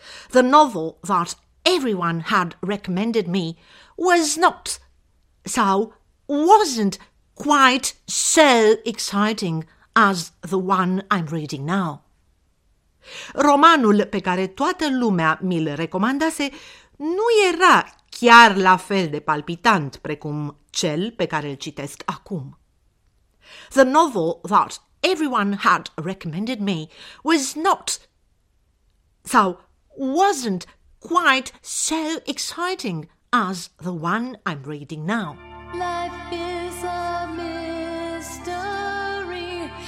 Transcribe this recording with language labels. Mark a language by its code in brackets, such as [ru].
[en] The novel that everyone had recommended me was not, [ro] sau, [en] wasn't quite so exciting as the one I'm reading now. [ro] Romanul pe care toată lumea mi-l recomandase nu era chiar la fel de palpitant precum cel pe care îl citesc acum. [en] The novel that everyone had recommended me was not, [ro] sau [en] wasn't quite so exciting as the one I'm reading now. Life is a mystery.